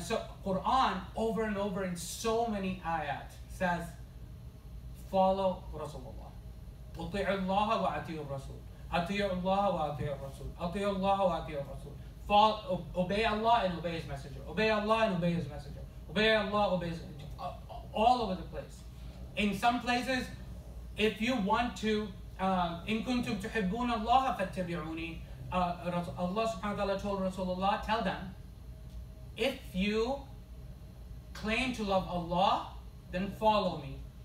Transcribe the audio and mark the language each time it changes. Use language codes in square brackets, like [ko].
[en] So, Quran, over and over in so many ayat, says, follow Rasulullah. [ar] أطيعوا الله وأطيعوا الرسول. أطيعوا الله وأطيعوا الرسول. أطيعوا الله وأطيعوا الرسول. [en] Obey Allah and obey His Messenger. Obey Allah and obey His Messenger. Obey Allah, obey His Messenger. All over the place. In some places, if you want to, [ar] إن كنتم تحبون الله فاتبعوني. [en] Allah subhanahu wa ta'ala told Rasulullah, tell them, if you claim to love Allah, then follow me.